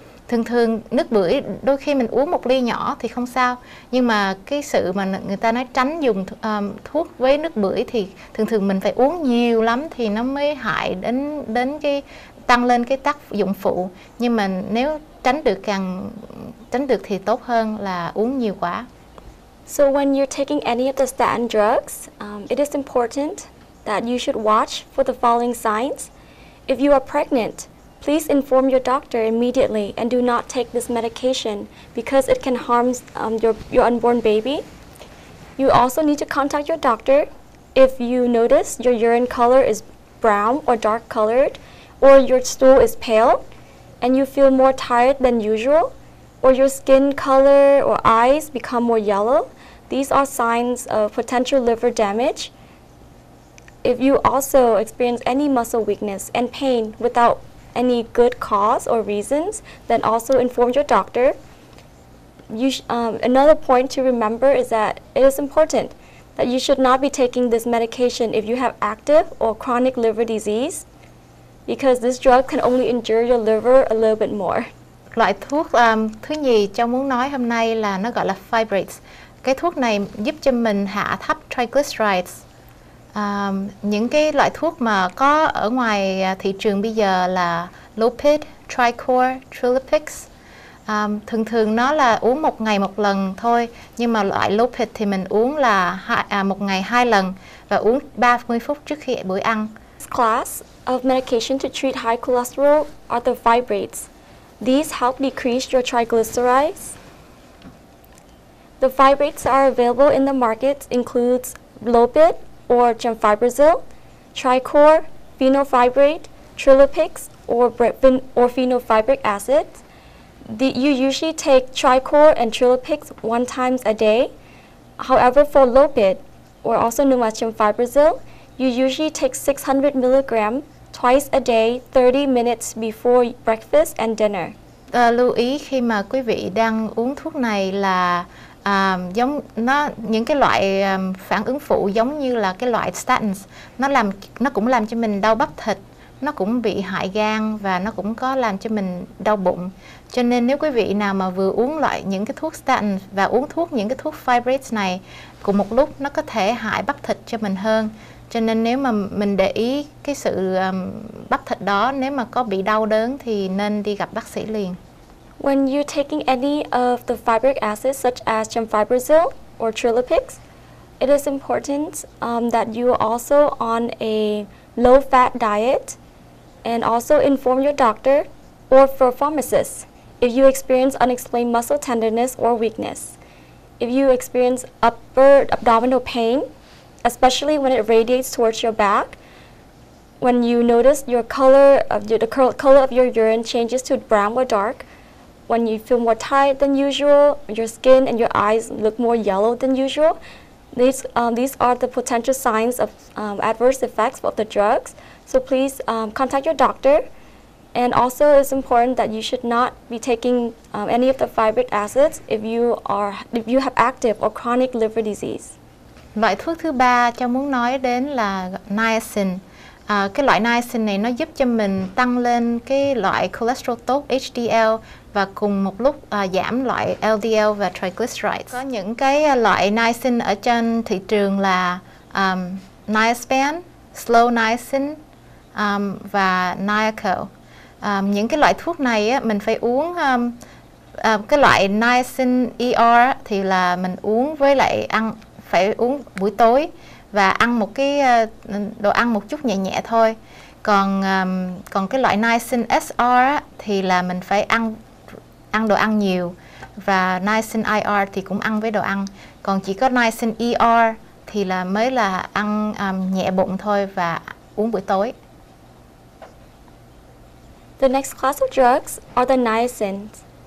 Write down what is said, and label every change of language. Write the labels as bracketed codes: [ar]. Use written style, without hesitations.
[vi] Thường thường nước bưởi đôi khi mình uống một ly nhỏ thì không sao, nhưng mà cái sự mà người ta nói tránh dùng thuốc với nước bưởi thì thường thường mình phải uống nhiều lắm thì nó mới hại đến cái tăng lên cái tác dụng phụ. Nhưng mà nếu tránh được thì tốt hơn là uống nhiều quá. [en] So when you're taking any of the statin drugs, it is important that you should watch for the following signs. If you are pregnant, please inform your doctor immediately and do not take this medication because it can harm your unborn baby. You also need to contact your doctor if you notice your urine color is brown or dark colored or your stool is pale. and you feel more tired than usual, or your skin color or eyes become more yellow, these are signs of potential liver damage. If you also experience any muscle weakness and pain without any good cause or reasons, then also inform your doctor. Another point to remember is that it is important that you should not be taking this medication if you have active or chronic liver disease, because this drug can only injure your liver a little bit more. [vi] Loại thuốc thứ nhì cháu muốn nói hôm nay là nó gọi là fibrates. Cái thuốc này giúp cho mình hạ thấp triglycerides. Những cái loại thuốc mà có ở ngoài thị trường bây giờ là Lupid, Tricor, Trilipix. Thường thường nó là uống một ngày một lần thôi, nhưng mà loại Lupid thì mình uống là một ngày hai lần và uống 30 phút trước khi bữa ăn. [en] This class of medication to treat high cholesterol are the fibrates. These help decrease your triglycerides. The fibrates that are available in the market includes Lopit or Gemfibrozil, Tricor, Fenofibrate, Trilipix or Fenofibric Acid. You usually take Tricor and Trilipix one times a day. However, for Lopit, or also known as Gemfibrozil, you usually take 600 milligrams twice a day, 30 minutes before breakfast and dinner. [vi] Lưu ý khi mà quý vị đang uống thuốc này là giống nó những cái loại phản ứng phụ giống như là cái loại statins, nó cũng làm cho mình đau bắp thịt, nó cũng bị hại gan và nó cũng có làm cho mình đau bụng. Cho nên nếu quý vị nào mà vừa uống loại những cái thuốc statin và uống thuốc những cái thuốc fibrates này cùng một lúc, nó có thể hại bắp thịt cho mình hơn. Cho nên nếu mà mình để ý cái sự bắp thịt đó, nếu mà có bị đau đớn thì nên đi gặp bác sĩ liền. [en] When you're taking any of the fibric acids such as Gemfibrozil or Trilipix, it is important that you are also on a low-fat diet and also inform your doctor or for a pharmacist if you experience unexplained muscle tenderness or weakness. If you experience upper abdominal pain, especially when it radiates towards your back, when you notice the color of your urine changes to brown or dark, when you feel more tired than usual, your skin and your eyes look more yellow than usual, these are the potential signs of adverse effects of the drugs. So please contact your doctor. And also it's important that you should not be taking any of the fibric acids if you have active or chronic liver disease. [vi] Loại thuốc thứ ba cháu muốn nói đến là niacin. Cái loại niacin này nó giúp cho mình tăng lên cái loại cholesterol tốt HDL và cùng một lúc giảm loại LDL và triglycerides. Có những cái loại niacin ở trên thị trường là niaspan, slow niacin và niaco. Những cái loại thuốc này mình phải uống. Cái loại niacin ER thì là mình uống với lại ăn, phải uống buổi tối và ăn một cái đồ ăn một chút nhẹ nhẹ thôi. Còn cái loại niacin SR thì là mình phải ăn đồ ăn nhiều, và niacin IR thì cũng ăn với đồ ăn. Còn chỉ có niacin ER thì là mới là ăn nhẹ bụng thôi và uống buổi tối. [en] The next class of drugs are the niacins.